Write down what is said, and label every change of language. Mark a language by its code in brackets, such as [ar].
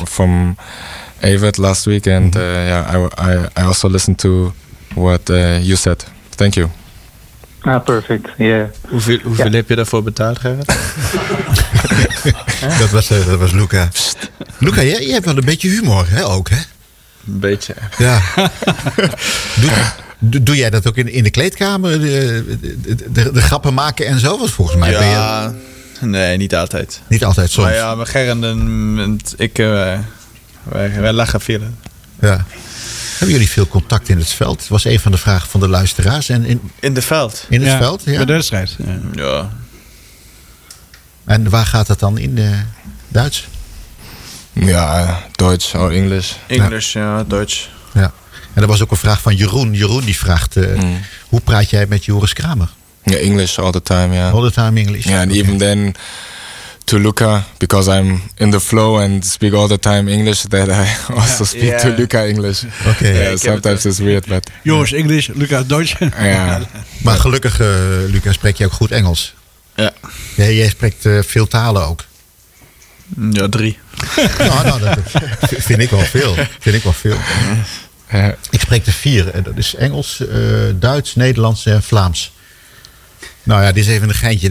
[en] from Evert last week, and I also listened to what you said. Thank you. Ah, perfect. Yeah. [nl] Hoeveel heb je daarvoor betaald, Gerrit? dat was Luca. Pst. Luca, jij hebt wel een beetje humor, hè? Ook, hè? Een beetje. Ja. Doe jij dat ook in de kleedkamer, de grappen maken en zo? Want volgens mij ben je... Nee, niet altijd. Niet altijd, soms. Maar ja, maar Gerrit en ik, wij lachen veel. Ja. Hebben jullie veel contact in het veld? Dat was een van de vragen van de luisteraars. En in de veld? In het veld, ja. Bij de wedstrijd. Ja. En waar gaat dat dan in? Duits? Ja, Duits of Engels. Engels, ja, Duits. Ja. En er was ook een vraag van Jeroen. Jeroen die vraagt, hoe praat jij met Joris Kramer? [en] Ja, English all the time, ja. All the time English. Ja, yeah, and even then to Luca, because I'm in the flow and speak all the time English, that I also speak to Luca English. [nl] Oké. [en] Okay. Yeah, sometimes it's weird, but... [nl] Joris English, Luca Duits. Ja. Yeah. Maar gelukkig, Luca, spreek je ook goed Engels. Ja. Jij spreekt veel talen ook. Ja, 3. Nou, dat vind ik wel veel. Vind ik wel veel. Ik spreek de 4. En dat is Engels, Duits, Nederlands en Vlaams. Nou ja, dit is even een geintje.